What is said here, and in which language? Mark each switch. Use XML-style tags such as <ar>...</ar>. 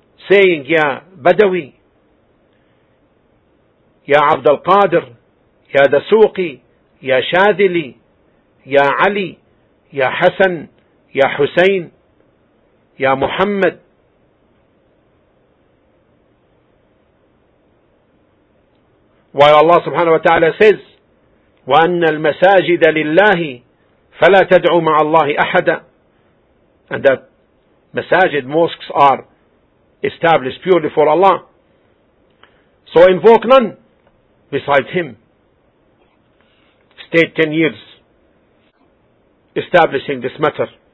<en>saying, Ya Badawi, Ya Abd al-Qadir, Ya Dasuqi, Ya Shadili, Ya Ali, Ya Hassan, Ya Hussein, Ya Muhammad. While Allah subhanahu wa ta'ala says,</en> <ar>وَأَنَّ الْمَسَاجِدَ لِلَّهِ فَلَا تَدْعُوا مَعَ اللَّهِ أَحَدًا.</ar> <en>And that masajid, mosques are established purely for Allah. So invoke none beside Him. Stayed 10 years establishing this matter.</en>